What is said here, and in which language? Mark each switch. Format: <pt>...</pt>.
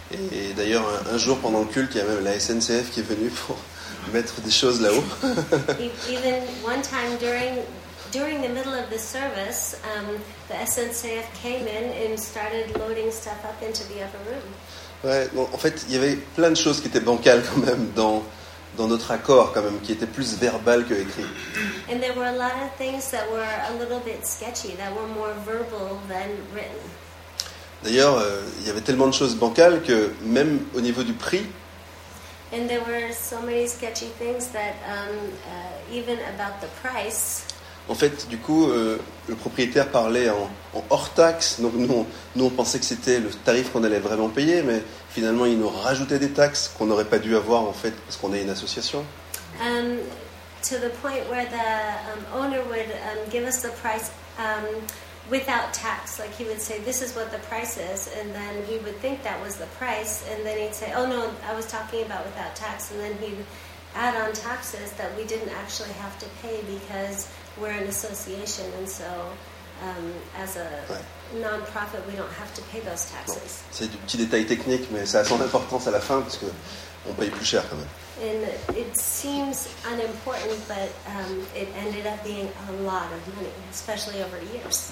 <fr>Et d'ailleurs, un jour pendant le culte, il y a même la SNCF qui est venue pour mettre des choses là-haut.</fr> <en>Even one time during the middle of the service, the SNCF came in and started loading stuff up into the upper room.</en> <fr>Ouais, bon, en fait, il y avait plein de choses qui étaient bancales quand même dans dans notre accord quand même, qui était plus verbal que écrit.</fr> <en>And there were a lot of things that were a little bit sketchy, that were more verbal than written.</en> <fr>D'ailleurs, il y avait tellement de choses bancales que même au niveau du prix.</fr> <en>And there were so many sketchy things that even about the price.</en> <fr>En fait, du coup, le propriétaire parlait en hors-taxe. Donc nous, on pensait que c'était le tarif qu'on allait vraiment payer, mais finalement, il nous rajoutait des taxes qu'on n'aurait pas dû avoir, en fait, parce qu'on est une association.</fr> <en>To the point where the owner would give us the price without tax. Like, he would say, this is what the price is, and then he would think that was the price, and then he'd say, oh no, I was talking about without tax, and then he'd add on taxes that we didn't actually have to pay because we're an association, and so as a non-profit, we don't have to pay those taxes.</en> <fr>Bon, c'est du petit détail technique, mais ça a son importance à la fin parce que on paye plus cher quand même.</fr> <en>And it seems unimportant, but it ended up being a lot of money, especially over years.</en>